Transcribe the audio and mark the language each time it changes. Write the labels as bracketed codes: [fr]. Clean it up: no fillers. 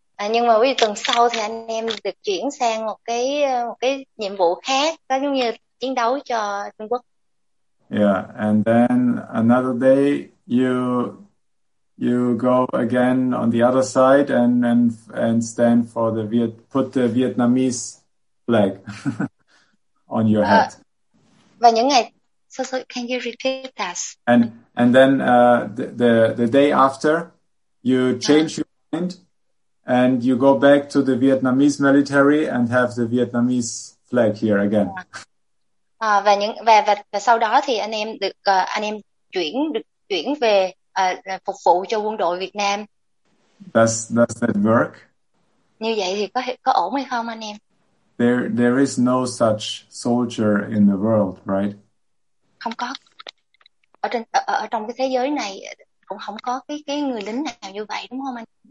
[vi] Nhưng mà ví dụ tuần sau thì anh em được chuyển sang một cái nhiệm vụ khác, đó giống như chiến đấu cho Trung Quốc. [en] Yeah, and then another day you go again on the other side and stand for put the Vietnamese flag on your hat. [vi] Và những ngày [en] so can you repeat that? And then the day after you change your mind and you go back to the Vietnamese military and have the Vietnamese flag here again. [vi] Và sau đó thì anh em được chuyển về phục vụ cho quân đội Việt Nam. [en] Does that work? [vi] Như vậy thì có ổn hay không anh em? [en] There is no such soldier in the world, right? [vi] Không có. Ở trong cái thế giới này cũng không có cái người lính nào như vậy, đúng không anh?